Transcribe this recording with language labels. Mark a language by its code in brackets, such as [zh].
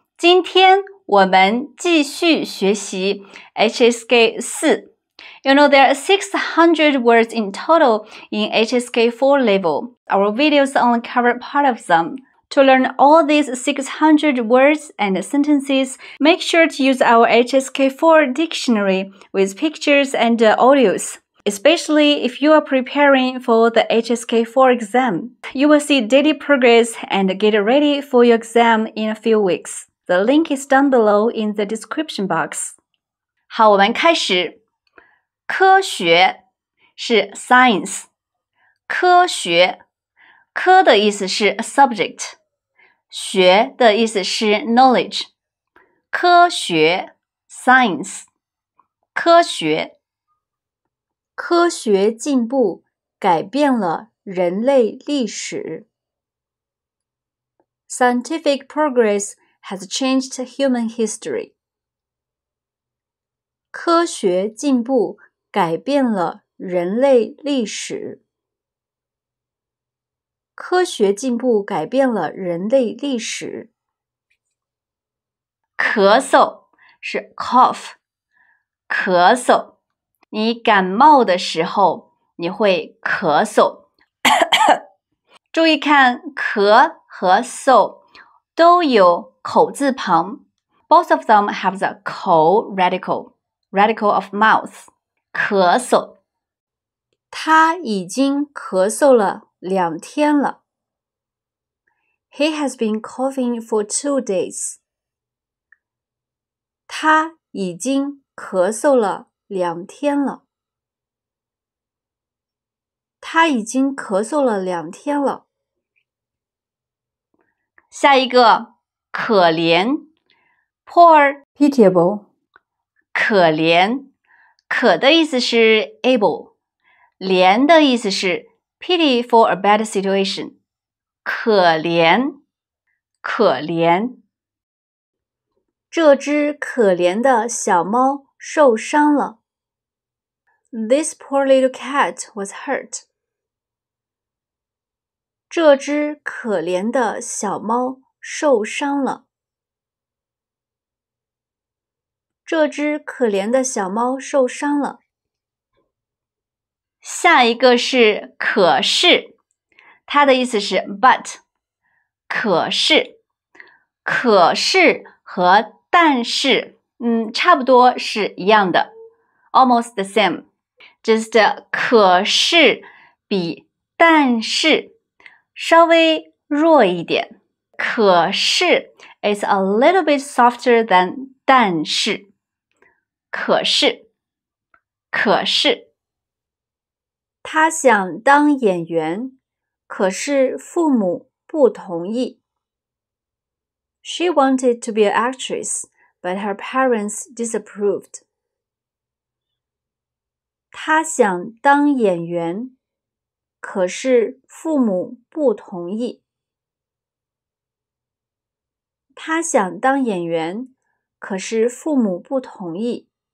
[zh] 今天我们继续学习 HSK 4。 [en] You know, there are 600 words in total in HSK 4 level. Our videos only cover part of them. To learn all these 600 words and sentences, make sure to use our HSK 4 dictionary with pictures and audios. Especially if you are preparing for the HSK 4 exam, you will see daily progress and get ready for your exam in a few weeks. The link is down below in the description box. [zh] 好，我们开始。科学是 science. 科学，科的意思是 subject. 学的意思是 knowledge. 科学 science. 科学。科学进步改变了人类历史。 [en] Scientific progress has changed human history. [zh] 科学进步改变了人类历史。科学进步改变了人类历史。咳嗽是 cough, 咳嗽。你感冒的时候你会咳嗽。注意看咳和嗽都有口字旁。 [en] Both of them have the 口 radical, radical of mouth, [zh] 咳嗽。他已经咳嗽了两天了。 [en] He has been coughing for 2 days. [zh] 他已经咳嗽了。两天了，他已经咳嗽了两天了。下一个，可怜 ，poor, [en] pitiable, [zh] 可怜，可的意思是 able, 怜的意思是 [en] pity for a bad situation, [zh] 可怜，可怜。这只可怜的小猫受伤了。 [en] This poor little cat was hurt. [zh] 这只可怜的小猫受伤了。这只可怜的小猫受伤了。下一个是可是，它的意思是 but, 可是，可是和但是，差不多是一样的 ， [en] almost the same. Just [zh] 可是比但是稍微弱一点。 [en] 可是 is a little bit softer than 但是。 [zh] 可是，可是。他想当演员，可是父母不同意。 [en] She wanted to be an actress, but her parents disapproved. [zh] 他想当演员，可是父母不同意。他想当演员，可是父母不同意。